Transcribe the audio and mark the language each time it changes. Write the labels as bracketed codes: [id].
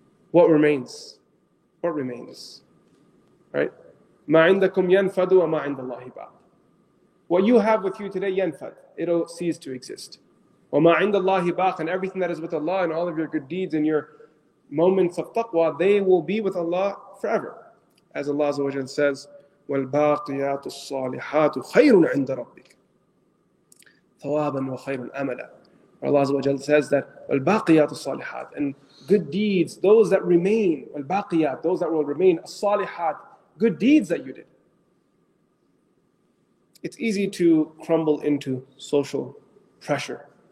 [en] What remains? What remains? Right? [ar] مَا عِنْدَكُمْ يَنْفَدُ وَمَا عِنْدَ اللَّهِ بَعْدُ. [en] What you have with you today, yanfad, it'll cease to exist. [ar] وَمَا عِنْدَ اللَّهِ بَعْدُ, [en] and everything that is with Allah and all of your good deeds and your moments of taqwa, they will be with Allah forever. As Allah Azza wa Jalla says, [ar] وَالْبَاقِيَاتُ الصَّالِحَاتُ خَيْرٌ عِنْدَ رَبِّكَ ثَوَابًا وَخَيْرٌ أَمَلًا. [en] Allah Azza wa Jalla says that, [ar] وَالْبَاقِيَاتُ الصَّالِحَاتُ, [en] and good deeds, those that remain, [ar] وَالْبَاقِيَاتُ, [en] those that will remain, [ar] الصَّالِحَاتُ, [en] good deeds that you did. It's easy to crumble into social pressure.